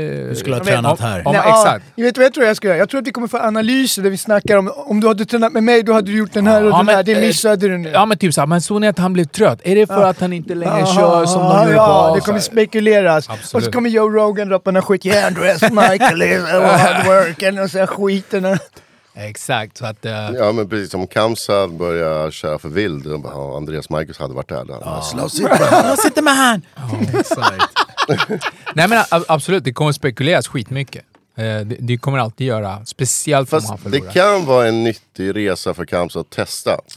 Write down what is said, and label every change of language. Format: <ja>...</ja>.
<sv>Du skulle ha tränat här. Exakt. Jag vet vad jag tror jag skulle göra. Jag tror att vi kommer få analyser där vi snackar om du hade tränat med mig, då hade du gjort den här den här. Det missade du nu. Ja, men typ så här, men såg ni att han blev trött? Är det för att han inte längre kör som de gör på? Ja, det kommer spekuleras. Absolut. Och så kommer Joe Rogan droppa den här skit.</sv> <en>Yeah, Andreas Michael is a hard worker.</en> <sv>Och så här skiten. Exakt, så att ja, men precis som Kamsat börjar köra för vild, och Andreas Marcus hade varit där. Slåss inte med han. Nej, men absolut, det kommer spekuleras skitmycket. Det kommer alltid göra, speciellt för att det kan vara en nyttig resa för Kamsat att testa.</sv>